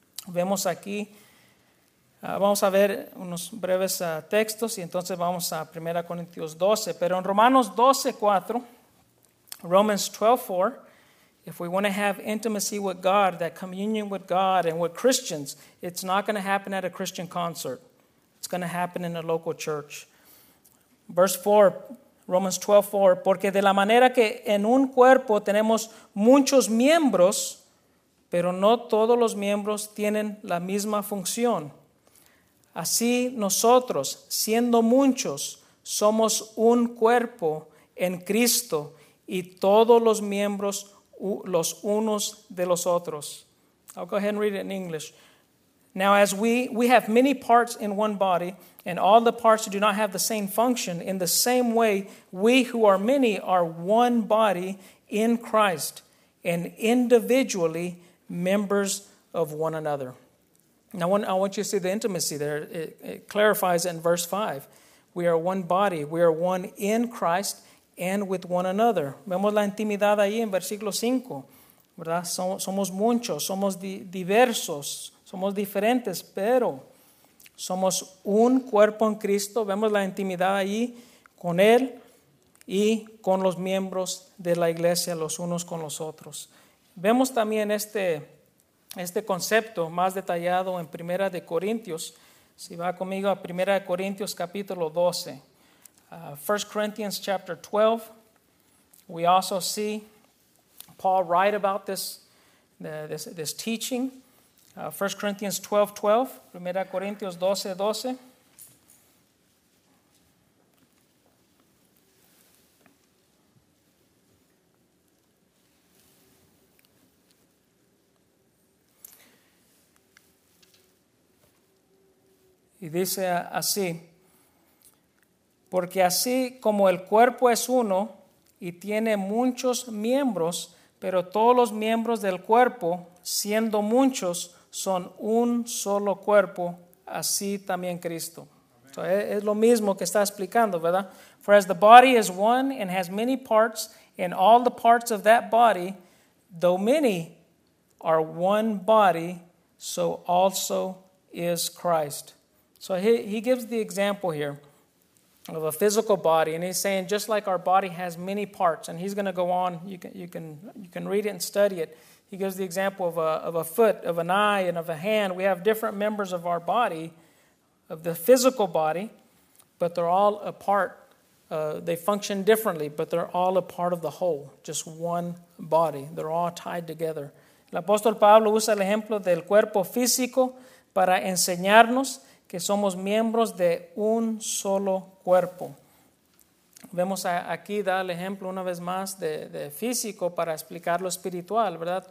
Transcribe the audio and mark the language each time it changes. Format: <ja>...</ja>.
<es>Vemos aquí, vamos a ver unos breves textos y entonces vamos a 1 Corintios 12. Pero en Romanos 12, 4,</es> <en>Romans 12, 4, if we want to have intimacy with God, that communion with God and with Christians, it's not going to happen at a Christian concert. It's going to happen in a local church. Verse 4, Romans 12, 4,</en> <es>porque de la manera que en un cuerpo tenemos muchos miembros, pero no todos los miembros tienen la misma función. Así nosotros, siendo muchos, somos un cuerpo en Cristo y todos los miembros los unos de los otros.</es> <en>I'll go ahead and read it in English. Now, as we have many parts in one body, and all the parts do not have the same function, in the same way, we who are many are one body in Christ and individually members of one another. Now, I want you to see the intimacy there. It clarifies in verse 5. We are one body. We are one in Christ and with one another.</en> <es>Vemos la intimidad ahí en versículo 5, ¿verdad? Somos muchos, somos diversos, somos diferentes, pero somos un cuerpo en Cristo. Vemos la intimidad ahí con Él y con los miembros de la iglesia, los unos con los otros. Vemos también este concepto más detallado en Primera de Corintios. Si va conmigo a Primera de Corintios capítulo 12.</es> <en>1 Corinthians chapter 12, we also see Paul write about this teaching. 1 Corinthians 12, 12, 1 Corinthians 12, 12.</en> <es>Y dice así, porque así como el cuerpo es uno y tiene muchos miembros, pero todos los miembros del cuerpo, siendo muchos, son un solo cuerpo, así también Cristo. So, es lo mismo que está explicando, ¿verdad?</es> <en>For as the body is one and has many parts, and all the parts of that body, though many, are one body, so also is Christ. So he gives the example here of a physical body, and he's saying just like our body has many parts, and he's going to go on, you can read it and study it. He gives the example of a foot, of an eye, and of a hand. We have different members of our body, of the physical body, but they're all a part. They function differently, but they're all a part of the whole, just one body. They're all tied together.</en> <es>El apóstol Pablo usa el ejemplo del cuerpo físico para enseñarnos que somos miembros de un solo cuerpo. Vemos aquí, da el ejemplo una vez más de físico para explicar lo espiritual, ¿verdad?</es>